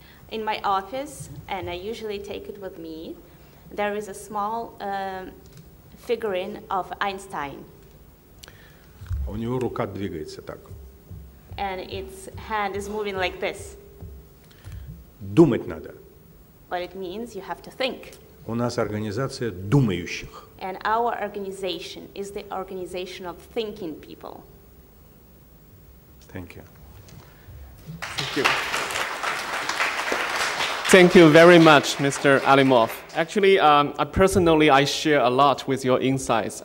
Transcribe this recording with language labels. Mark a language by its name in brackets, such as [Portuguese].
[English] In my office, and I usually take it with me, there is a small figurine of Einstein. [Russian] У него рука двигается так. [English] And its hand is moving like this. [Russian] Думать надо. [English] But it means you have to think. [Russian] У нас организация думающих. [English] And our organization is the organization of thinking people. Thank you. Thank you. Thank you very much, Mr. Alimov. Actually, I personally share a lot with your insights.